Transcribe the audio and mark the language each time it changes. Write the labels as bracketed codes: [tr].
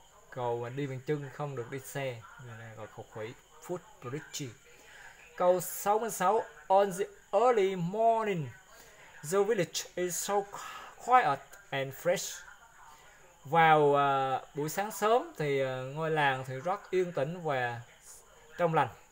[vi] Cầu mà đi bằng chân không được đi xe là gọi cầu khỉ, foot bridge. [en] Câu 66, on the early morning the village is so quiet and fresh. [vi] Vào buổi sáng sớm thì ngôi làng thì rất yên tĩnh và trong lành.